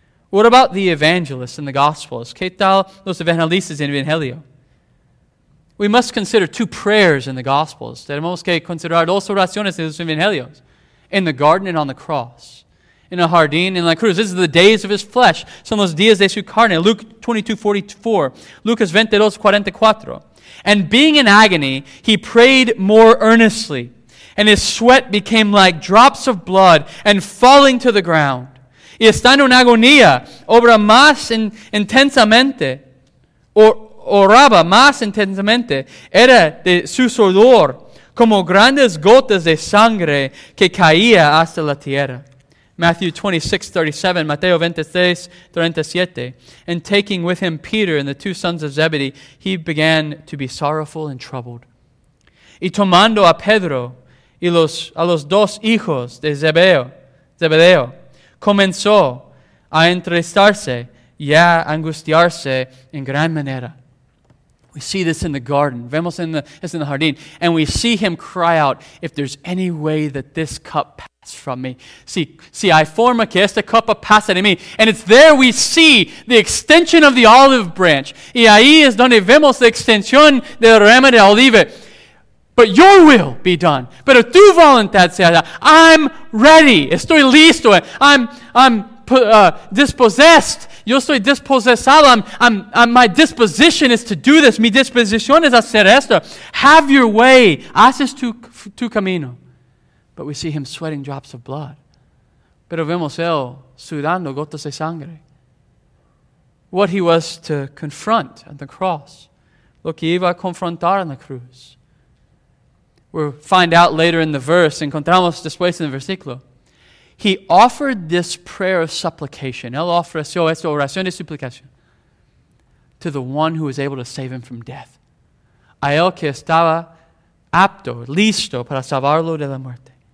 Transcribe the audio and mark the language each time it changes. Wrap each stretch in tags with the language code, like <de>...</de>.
<en>What about the evangelists in the Gospels?</en> <es>¿Qué tal los evangelistas en el Evangelio?</es> <en>We must consider two prayers in the Gospels.</en> <es>Tenemos que considerar dos oraciones en los Evangelios.</es> <en>In the garden and on the cross.</en> <es>In a jardín, in la cruz.</es> <en>This is the days of his flesh.</en> <es>Son los días de su carne.</es> <en>Luke 22:44. Lucas 22:44. And being in agony, he prayed more earnestly. And his sweat became like drops of blood and falling to the ground.</en> <es>Y estando en agonía, obra más intensamente, oraba más intensamente, era de su sudor, como grandes gotas de sangre que caía hasta la tierra.</es> <en>Matthew 26:37, Mateo 26:37. And taking with him Peter and the two sons of Zebedee, he began to be sorrowful and troubled.</en> <es>Y tomando a Pedro y a los dos hijos de Zebedeo, comenzó a entristarse y a angustiarse en gran manera.</es> <en>We see this in the garden.</en> <es>Vemos es en el jardín.</es> <en>And we see him cry out, if there's any way that this cup pass from me.</en> <es>Si hay forma que esta copa pase de mí.</es> <en>And it's there we see the extension of the olive branch.</en> <es>Y ahí es donde vemos la extensión de la rama de oliva.</es> <en>But your will be done.</en> <es>Pero tu voluntad sea.</es> <en>I'm ready.</en> <es>Estoy listo.</es> <en>I'm dispossessed.</en> <es>Yo estoy dispossessado.</es> <en>My disposition is to do this.</en> <es>Mi disposición es hacer esto.</es> <en>Have your way.</en> <es>Haces tu camino.</es> <en>But we see him sweating drops of blood.</en> <es>Pero vemos él sudando gotas de sangre.</es> <en>What he was to confront at the cross.</en> <es>Lo que iba a confrontar en la cruz.</es> <en>We'll find out later in the verse.</en> <es>Encontramos después en el versículo.</es> <en>He offered this prayer of supplication.</en> <es>Él ofreció esta oración de suplicación.</es> <en>To the one who was able to save him from death.</en> <es>A él que estaba apto, listo para salvarlo de la muerte.</es>